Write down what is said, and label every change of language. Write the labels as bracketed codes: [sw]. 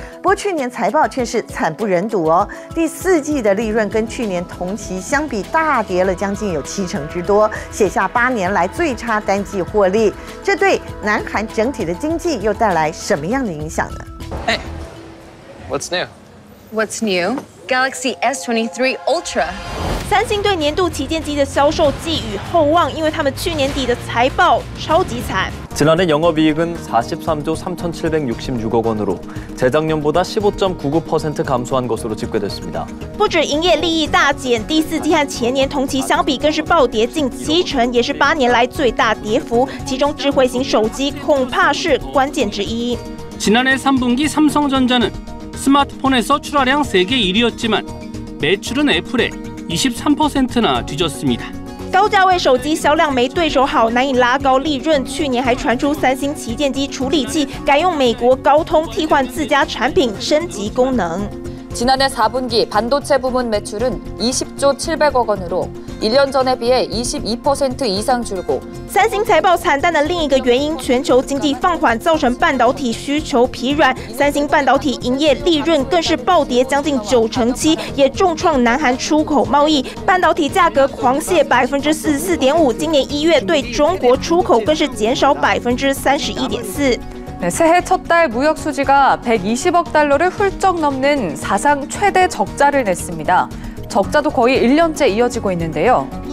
[zh] 不过去年财报却是惨不忍睹哦，第四季的利润跟去年同期相比大跌了将近有70%之多，写下8年来最差单季获利，这对南韩整体的经济又带来什么样的影响呢？ [en] Hey, what's new? What's new? Galaxy S23 Ultra. [zh] 三星对年度旗舰机的销售寄予厚望，因为他们去年底的财报超级惨。 [ko] 지난해영업이익은43조3766억원으로재작년보다 15.99% 감소한것으로집계됐습니다 [zh] 不止营业利益大减，第四季和前年同期相比更是暴跌近70%，也是8年来最大跌幅。其中智慧型手机恐怕是关键之一。 [ko] 지난해3분기삼성전자는 스마트폰에서 출하량 세계 1위였지만 매출은 애플의 23%나 뒤졌습니다. [zh] 高价位手机销量没对手好，难以拉高利润。去年还传出三星旗舰机处理器改用美国高通替换自家产品升级功能。 [ko] 지난해 4분기 반도체 부문 매출은 20조 700억 원으로 1년 전에 비해 22% 이상 줄고 [zh] 三星财报惨淡的另一个原因，全球经济放缓造成半导体需求疲软。三星半导体营业利润更是暴跌将近九成七，也重创南韩出口贸易。半导体价格狂泻 44.5%， 今年1月对中国出口更是减少 31.4%。 [ko] 네, 새해 첫달 무역 수지가 120억 달러를 훌쩍 넘는 사상 최대 적자를 냈습니다. 적자도 거의 1년째 이어지고 있는데요.